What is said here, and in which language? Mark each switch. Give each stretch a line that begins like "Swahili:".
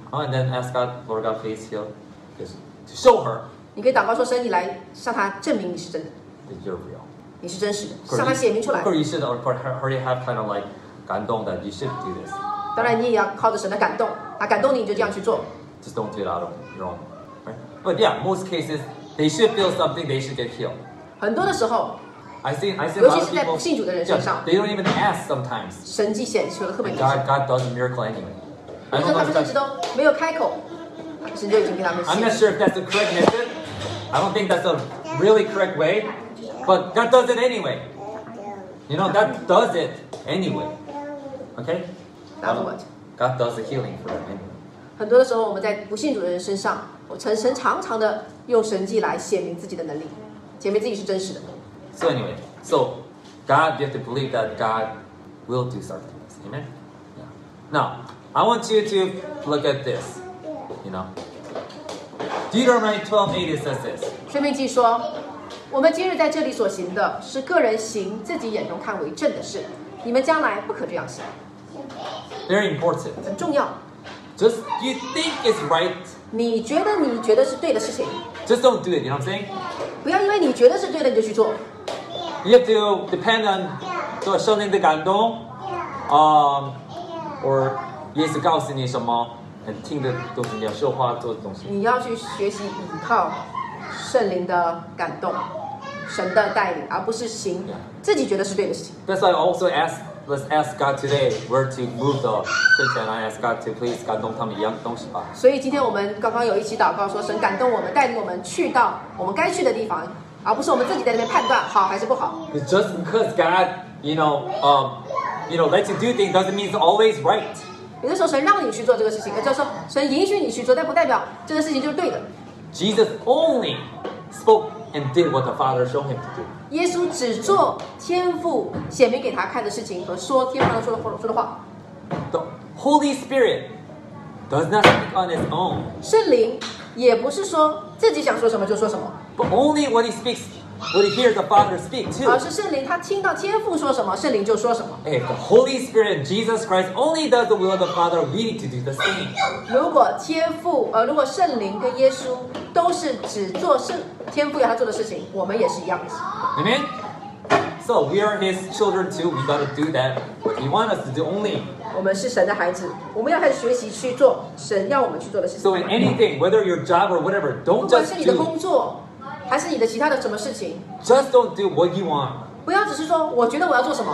English: And then ask God, Lord God, please heal, just to show her.
Chinese: 你可以祷告说神，你来向他证明你是真的。
English: That you're real.
Chinese: 你是真实的，向他显明出来。
English: Or you should, or already have kind of like
Chinese: 感动
English: that you should do this.
Chinese: 当然，你也要靠着神的感动，他感动你，你就这样去做。
English: Just don't do it out of your own, right? But yeah, most cases they should feel something, they should get healed.
Chinese: 很多的时候。
English: I see a lot of people.
Chinese: 尤其是在不信主的人身上。
English: They don't even ask sometimes.
Chinese: 神迹显出了特别明显。
English: God does a miracle anyway.
Chinese: 但是他们甚至都没有开口，神就已经给他们信了。
English: I'm not sure if that's the correct method. I don't think that's a really correct way. But God does it anyway. You know, God does it anyway. Okay? That's what? God does the healing for them anyway.
Chinese: 很多的时候我们在不信主的人身上，神常常的用神迹来显明自己的能力，显明自己是真实的。
English: So anyway, so God, you have to believe that God will do something. Amen? Yeah. Now,I want you to look at this, you know. Deuteronomy 12:8 says this.
Chinese: 申命记说，我们今日在这里所行的，是个人行自己眼中看为正的事，你们将来不可这样行。
English: Very important.
Chinese: 很重要。
English: Just you think it's right.
Chinese: 你觉得你觉得是对的事情。
English: Just don't do it. You know what I'm saying?
Chinese: 不要因为你觉得是对的你就去做。
English: You have to depend on
Chinese: 做圣灵的感动。 Or 耶稣告诉你什么，很听的东西，你要说话做的东西。你要去学习依靠圣灵的感动，神的带领，而不是行、yeah. 自己觉得是对的事情。
English: That's why I also ask, let's ask God today where to move the things, and I ask God to please
Chinese: 感动他们一样东西吧。所以今天我们刚刚有一起祷告说，神感动我们，带领我们去到我们该去的地方，而不是我们自己在那边判断好还是不好。
English: It's just because God, you know, let you do things doesn't mean it's always right.
Chinese: 有的时候神让你去做这个事情，就是说神允许你去做，但不代表这个事情就是对的。
English: Jesus only spoke and did what the Father showed him to do.
Chinese: 耶稣只做天父显明给他看的事情和说天父说的话。
English: The Holy Spirit does not speak on his own.
Chinese: 圣灵也不是说自己想说什么就说什么。
English: But only when he speaks. Would he hear the Father speak too?
Chinese: 而是圣灵，他听到天父说什么，圣灵就说什么。
English: Hey, the Holy Spirit, Jesus Christ, only does the will of the Father. We need to do the same.
Chinese: 如果天父，如果圣灵跟耶稣都是只做圣天父要他做的事情，我们也是一样的。
English: Amen. So we are His children too. We got to do that. What He wants us to do only.
Chinese: 我们是神的孩子，我们要开始学习去做神要我们去做的事情。
English: So in anything, whether your job or whatever, don't just do.
Chinese: 不管是你的工作。还是你的其他的什么事情
English: ？Just don't do what you want.
Chinese: 不要只是说我觉得我要做什么。